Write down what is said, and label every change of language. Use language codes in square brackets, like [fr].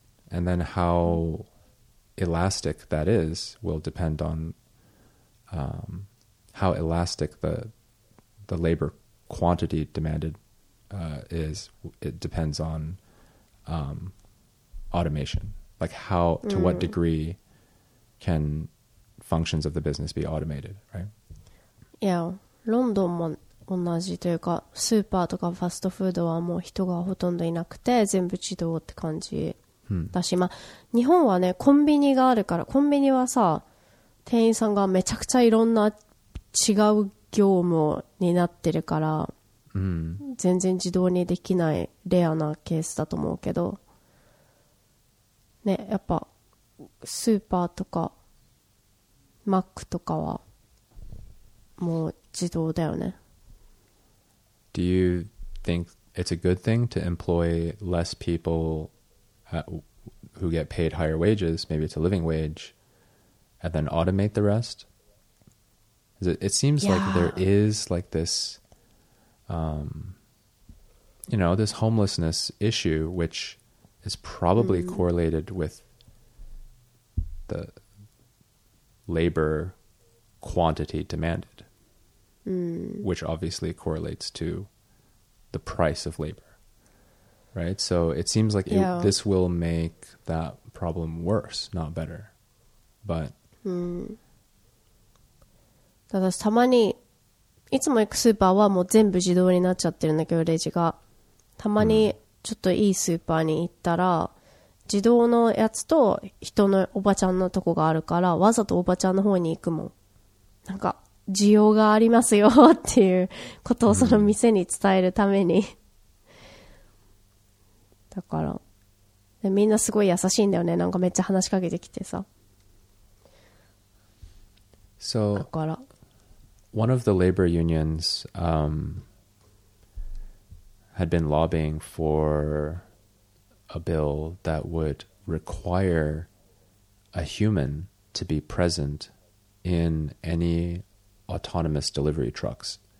[en] And then how elastic that is will depend on how elastic the labor quantity demanded is. It depends on automation, like how to what degree can functions of the business be automated, right? [ja] Yeah, London も同じというか、スーパーとかファストフードはもう人がほとんどいなくて全部自動って感じだし、まあ、日本はねコンビニがあるから、コンビニはさ店員さんがめちゃくちゃいろんな違う業務になってるから、全然自動にできないレアなケースだと思うけど、ね、やっぱスーパーとかマックとかはもう自動だよね。 [en] Do you think it's a good thing to employ less people who get paid higher wages, maybe it's a living wage, and then automate the rest? It seems like there is like this, you know, this homelessness issue, which is probably correlated with the labor quantity demanded, which obviously correlates to the price of labor, right? So it seems like this will make that problem worse, not better. But [ja] ただたまにいつも行くスーパーはもう全部自動になっちゃってるんだけど、レジがたまにちょっといいスーパーに行ったら自動のやつと人のおばちゃんのとこがあるから、わざとおばちゃんの方に行くもん、なんか需要がありますよっていうことをその店に伝えるためにだからで、みんなすごい優しいんだよね、なんかめっちゃ話しかけてきてさ。 [en] So, [ja] だから [en] one of the labor unions had been lobbying for a bill that would require a human to be present in any autonomous delivery trucks.